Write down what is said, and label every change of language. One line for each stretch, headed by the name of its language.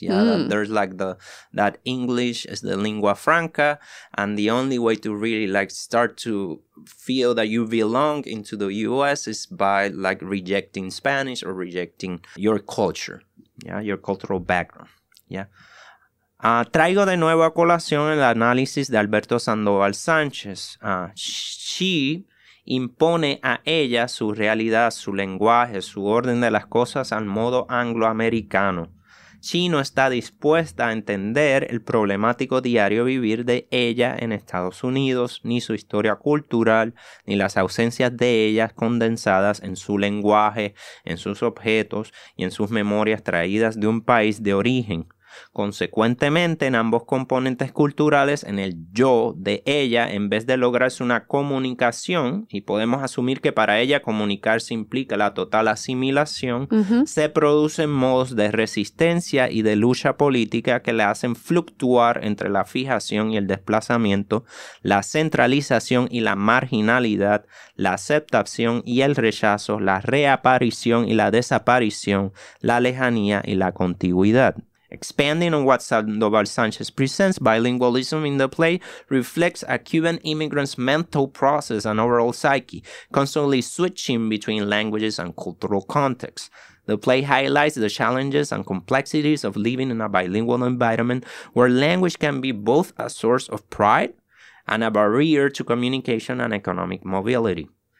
English: Yeah, there's that English is the lingua franca, and the only way to really start to feel that you belong into the U.S. is by rejecting Spanish or rejecting your culture, yeah, your cultural background, yeah.
Spanish: Traigo de nuevo a colación el análisis de Alberto Sandoval Sánchez. She impone a ella su realidad, su lenguaje, su orden de las cosas al modo angloamericano. She no está dispuesta a entender el problemático diario vivir de ella en Estados Unidos, ni su historia cultural, ni las ausencias de ella condensadas en su lenguaje, en sus objetos y en sus memorias traídas de un país de origen. Consecuentemente, en ambos componentes culturales, en el yo de ella, en vez de lograrse una comunicación, y podemos asumir que para ella comunicarse implica la total asimilación, se producen modos de resistencia y de lucha política que le hacen fluctuar entre la fijación y el desplazamiento, la centralización y la marginalidad, la aceptación y el rechazo, la reaparición y la desaparición, la lejanía y la contigüidad.
English: Expanding on what Sandoval Sánchez presents, bilingualism in the play reflects a Cuban immigrant's mental process and overall psyche, constantly switching between languages and cultural contexts. The play highlights the challenges and complexities of living in a bilingual environment where language can be both a source of pride and a barrier to communication and economic mobility.